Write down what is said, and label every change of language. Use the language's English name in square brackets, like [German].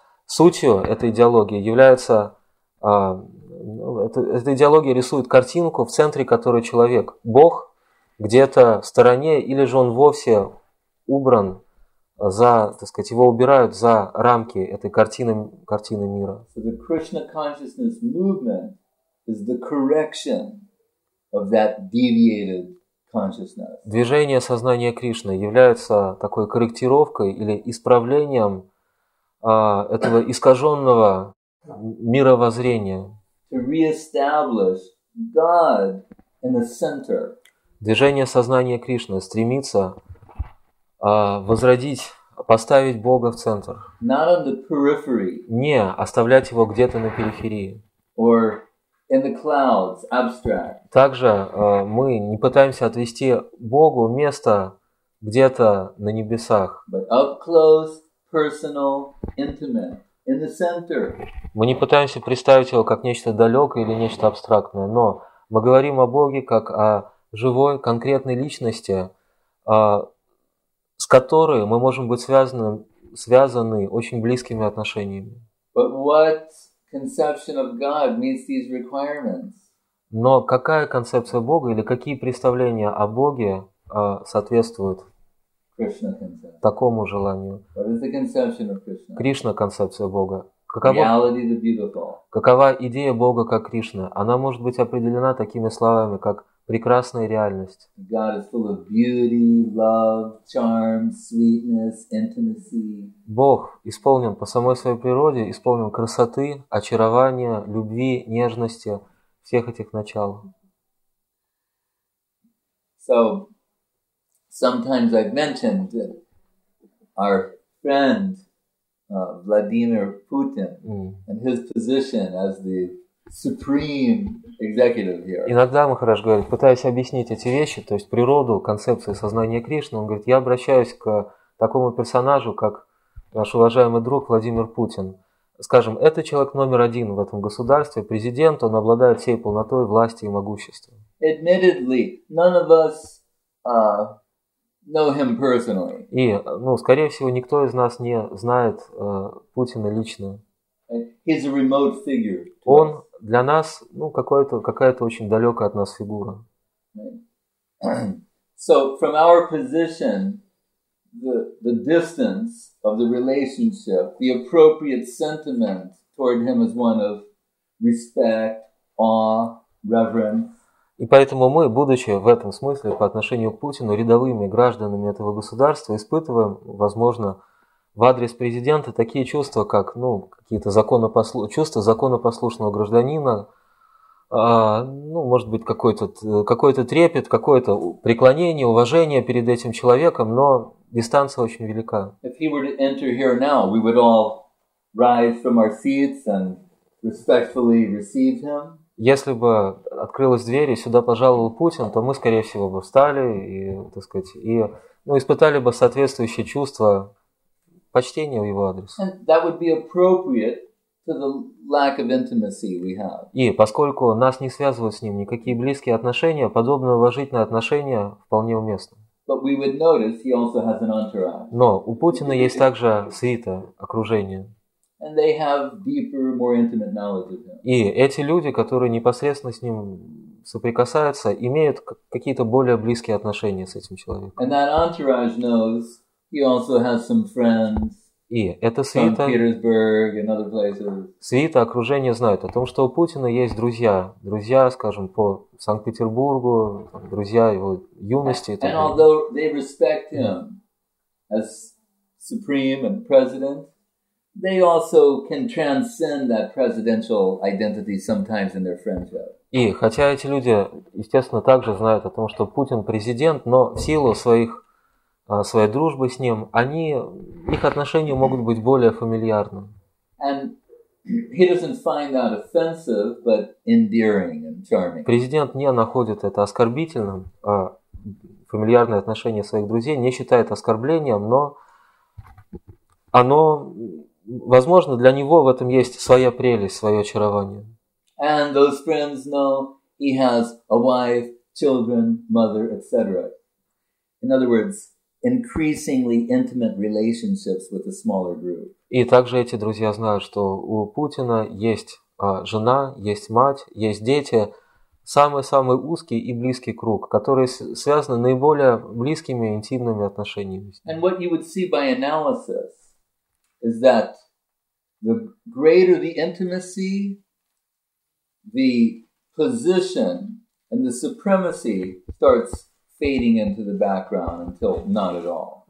[Russian] Сутью этой идеологии является, эта идеология рисует картинку, в центре которой человек, Бог, где-то в стороне, или же он вовсе убран, за, так сказать, его убирают за рамки этой картины, картины мира. [English] So the Krishna consciousness movement is the correction of that deviated consciousness. [Russian] Движение сознания Кришны является такой корректировкой или исправлением этого искаженного мировоззрения. [English] To re-establish God in the center. [Russian] Движение сознания Кришны стремится возродить, поставить Бога в центр. [English] Not on the periphery. [Russian] Не оставлять его где-то на периферии. [English] Or in the clouds, abstract. [Russian] Также мы не пытаемся отвести Богу место где-то на небесах. [English] But up close, personal, intimate, in the center. [Russian] Мы не пытаемся представить его как нечто далекое или нечто абстрактное, но мы говорим о Боге как о живой, конкретной личности, с которой мы можем быть связаны очень близкими отношениями. [English] But what conception of God meets these requirements? [Russian] Но какая концепция Бога или какие представления о Боге соответствуют такому желанию? [English] What is the conception of Krishna? [Russian] Кришна – концепция Бога. [English] Reality, the beautiful. [Russian] Какова идея Бога как Кришны? Она может быть определена такими словами, как прекрасная реальность. [English] God is full of beauty, love, charm, sweetness, intimacy. [Russian] Бог исполнен по самой своей природе, исполнен красоты, очарования, любви, нежности, всех этих начал. [English] So, sometimes I've mentioned our friend Vladimir Putin and his position as the supreme executive here. [Russian] Иногда Махарадж говорит, пытаясь объяснить эти вещи, то есть природу, концепцию сознания Кришны, он говорит, я обращаюсь к такому персонажу, как наш уважаемый друг Владимир Путин. Скажем, это человек номер один в этом государстве, президент, он обладает всей полнотой власти и могущества. [English] Admittedly, none of us know him personally. [Russian] И, ну, скорее всего, никто из нас не знает Путина лично. [English] He's a remote figure. [Russian] Он для нас, ну, какая-то очень далекая от нас фигура. [English] So from our position, the distance of the relationship, the appropriate sentiment toward him is one of respect, awe, reverence. [Russian] И поэтому мы, будучи в этом смысле по отношению к Путину рядовыми гражданами этого государства, испытываем, возможно, в адрес президента такие чувства, как, ну, какие-то чувства законопослушного гражданина, ну, может быть, какой-то трепет, какое-то преклонение, уважение перед этим человеком, но дистанция очень велика. [English] If he were to enter here now, we would all rise from our seats and respectfully receive him. [Russian] Если бы открылась дверь и сюда пожаловал Путин, то мы, скорее всего, бы встали и, так сказать, и, ну, испытали бы соответствующее чувство почтения в его адрес. [English] That would be appropriate to the lack of intimacy we have. [Russian] И поскольку нас не связывают с ним никакие близкие отношения, подобное уважительное отношение вполне уместно. [English] But we would notice he also has an entourage. [Russian] Но у Путина есть также свита, окружение. [English] And they have deeper, more intimate knowledge of him. [Russian] И эти люди, которые непосредственно с ним соприкасаются, имеют какие-то более близкие отношения с этим человеком. [English] And that entourage knows he also has some friends. [Russian] И эта свита, [English] St. Petersburg and other places. [Russian] Свита, окружение знают о том, что у Путина есть друзья. Друзья, скажем, по Санкт-Петербургу, там, друзья его юности. [English] And although they respect him as supreme and president, they also can transcend that presidential identity sometimes in their friendship. [Russian] И хотя эти люди, естественно, также знают о том, что Путин президент, но в силу своей дружбы с ним, их отношения могут быть более фамильярным. [English] And he doesn't find that offensive, but endearing and charming. [Russian] Президент не находит это оскорбительным, фамильярные отношения своих друзей, не считает оскорблением, но оно, возможно, для него в этом есть своя прелесть, свое очарование. [English] And those friends know he has a wife, children, mother, etc. In other words, increasingly intimate relationships with a smaller group. [Russian] И также эти друзья знают, что у Путина есть жена, есть мать, есть дети, самый-самый узкий и близкий круг, который связан наиболее близкими интимными отношениями. [English] And what you would see by analysis is that the greater the intimacy, the position and the supremacy starts fading into the background until not at all.